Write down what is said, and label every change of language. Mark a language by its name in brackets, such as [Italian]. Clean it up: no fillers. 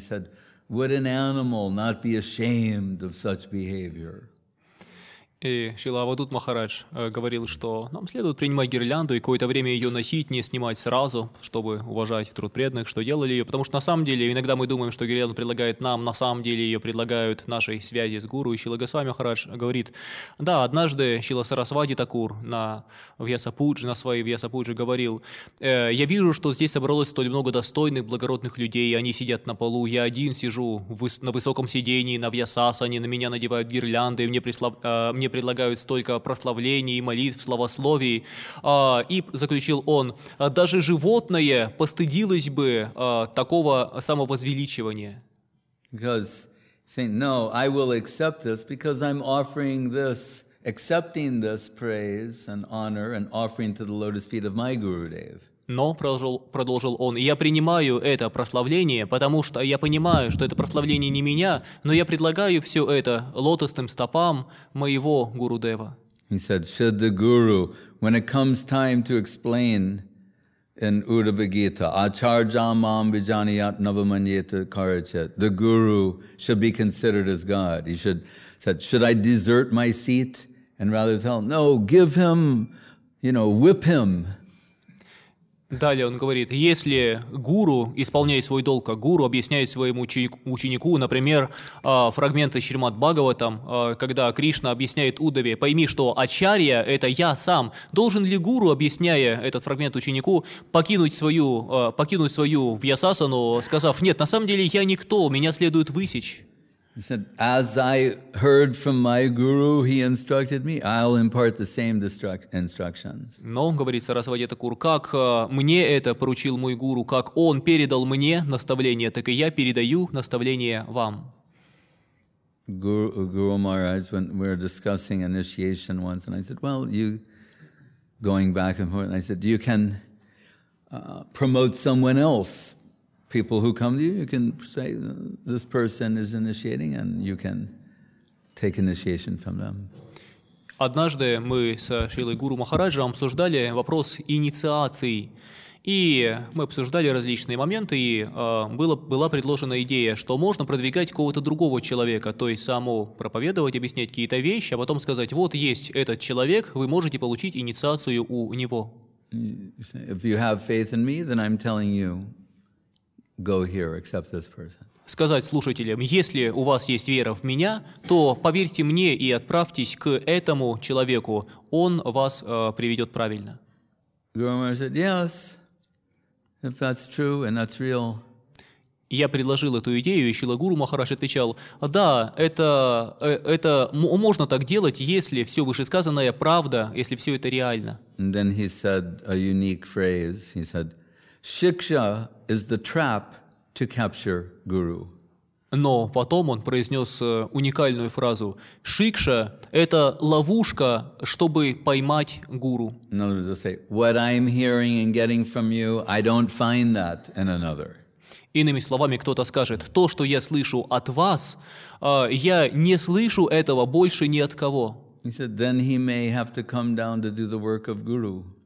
[English] He said, would an animal not be ashamed of such behavior? [Russian] И Шрила Авадут Махарадж говорил, что нам следует принимать гирлянду и какое-то время ее носить, не снимать сразу, чтобы уважать труд преданных, что делали ее. Потому что на самом деле, иногда мы думаем, что гирлянду предлагает нам, на самом деле ее предлагают нашей связи с гуру. И Шрила Госвами Махарадж говорит, да, однажды Шрила Сарасвати Такур на Вьясапуджи, на своей Вьясапуджи говорил, я вижу, что здесь собралось столь много достойных, благородных людей, они сидят на полу, я один сижу на высоком сидении, на Вьясасане, на меня надевают гирлянды, мне предлагают столько прославлений, молитв, словословий. И заключил он, даже животное постыдилось бы такого самовозвеличивания. [English] Because saying, no, I will accept this because I'm offering this, accepting this praise and honor and offering to the lotus feet of my Gurudev. [Russian] Но, продолжил он, я принимаю это прославление, потому что я понимаю, что это прославление не меня, но я предлагаю все это лотосным стопам моего Гурудева. [English] He said, should the guru, when it comes time to explain in Uddhava Gita, [Sanskrit] acharya mam vijaniyat navamanyeta karachet, [English] the guru should be considered as God. He should said, should I desert my seat and rather tell him, no, give him, you know, whip him. [Russian] Далее он говорит, если гуру, исполняя свой долг как гуру, объясняет своему ученику, например, фрагменты Шримад Бхагаватам, когда Кришна объясняет Удаве, пойми, что ачарья – это я сам, должен ли гуру, объясняя этот фрагмент ученику, покинуть свою вьясасану, сказав, нет, на самом деле я никто, меня следует высечь. [English] He said, as I heard from my guru, he instructed me, I'll impart the same instructions. [Russian] Но, говорит Сарасвати Такур, как мне это поручил мой гуру, как он передал мне наставление, так и я передаю наставление вам. [English] Guru Maharaj, when we were discussing initiation once, and I said, well, you, going back and forth, and I said, you can promote someone else. People who come to you, you can say, this person is initiating, and you can take initiation from them. [Russian] Однажды мы с Шрилой Гуру Махараджем обсуждали вопрос инициации. И мы обсуждали различные моменты, и была предложена идея, что можно продвигать какого-то другого человека, то есть само проповедовать, объяснять какие-то вещи, а потом сказать, вот есть этот человек, вы можете получить инициацию у него. [English] If you have faith in me, then I'm telling you, go here, accept this person. [Russian] Сказать слушателям, если у вас есть вера в меня, то поверьте мне и отправьтесь к этому человеку. Он вас приведет правильно. [English] Guru Maharaj said, yes, if that's true and that's real. [Russian] Я предложил эту идею, и Шрила Гуру Махарадж отвечал, да, это можно так делать, если все вышесказанное правда, если все это реально. [English] And then he said a unique phrase. He said, Shiksha is the trap to capture guru. [Russian] Но потом он произнес уникальную фразу. Шикша – это ловушка, чтобы поймать гуру. [English] In other words, they say, what I'm hearing and getting from you, I don't find that in another. [Russian] Иными словами, кто-то скажет, то, что я слышу от вас, я не слышу этого больше ни от кого. [English] He said, then he may have to come down to do the work of guru.